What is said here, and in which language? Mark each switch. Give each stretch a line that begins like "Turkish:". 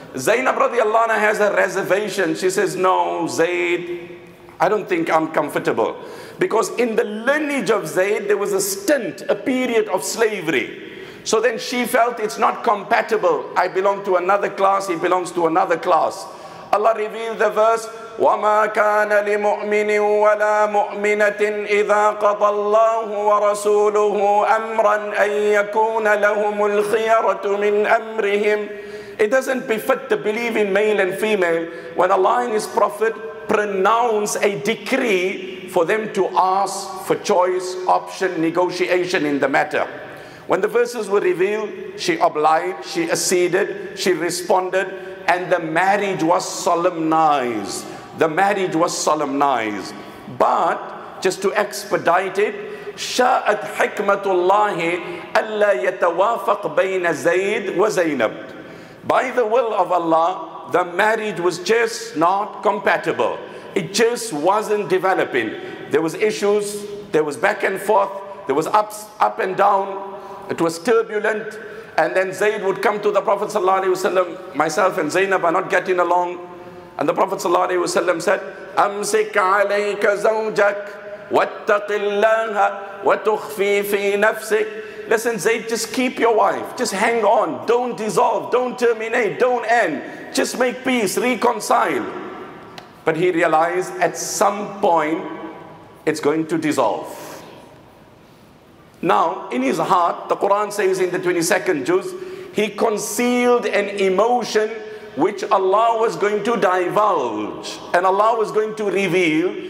English: Zainab radiallahu anha has a reservation. She says, no, Zayd, I don't think I'm comfortable. Because in the lineage of Zayd, there was a period of slavery. So then she felt it's not compatible. I belong to another class, he belongs to another class. Allah revealed the verse,
Arabic: وَمَا كَانَ لِمُؤْمِنٍ وَلَا مُؤْمِنَةٍ إِذَا قَضَى اللَّهُ وَرَسُولُهُ أَمْرًا أَن يَكُونَ لَهُمُ الْخِيَرَةُ مِنْ أَمْرِهِمْ.
English: It doesn't befit the believing male and female when Allah and His Prophet pronounce a decree for them to ask for choice, option, negotiation in the matter. When the verses were revealed, she obliged, she acceded, she responded, and the marriage was solemnized. The marriage was solemnized. But just to expedite it,
Arabic: شاءت حكمة الله ألا يتوافق بين زيد وزينب.
English: By the will of Allah, the marriage was just not compatible. It just wasn't developing. There was issues, there was back and forth, there was ups, up and down, it was turbulent. And then Zayd would come to the Prophet sallallahu alaihi wasallam, myself and Zainab are not getting along. And the Prophet sallallahu alaihi wasallam said,
Arabic: أمسك عليك زوجك واتق الله وتخفي في نفسك.
English: Listen Zayd, just keep your wife, just hang on, don't dissolve, don't terminate, don't end, just make peace, reconcile. But he realized at some point it's going to dissolve. Now in his heart, the Quran says in the 22nd juz, he concealed an emotion which Allah was going to divulge and Allah was going to reveal.